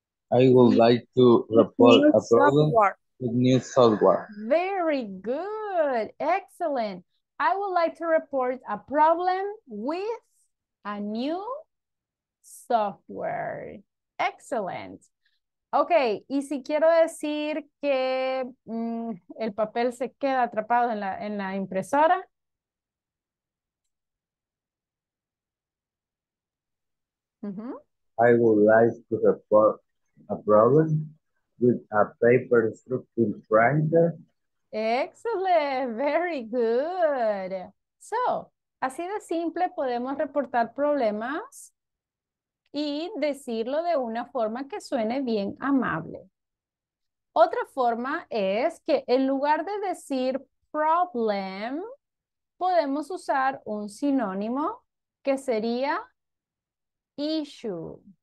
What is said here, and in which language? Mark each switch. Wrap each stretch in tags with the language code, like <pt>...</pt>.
<en>I would like to report a problem with new software. Very good. Excellent. I would like to report a problem with a new software. Excellent.</en> <es>Ok, y si quiero decir que el papel se queda atrapado en la impresora.</es> <en>I would like to report a problem with a paper structure printer. Excellent, very good.</en> <es>So, así de simple podemos reportar problemas y decirlo de una forma que suene bien amable. Otra forma es que en lugar de decir problem, podemos usar un sinónimo que sería issue.</es>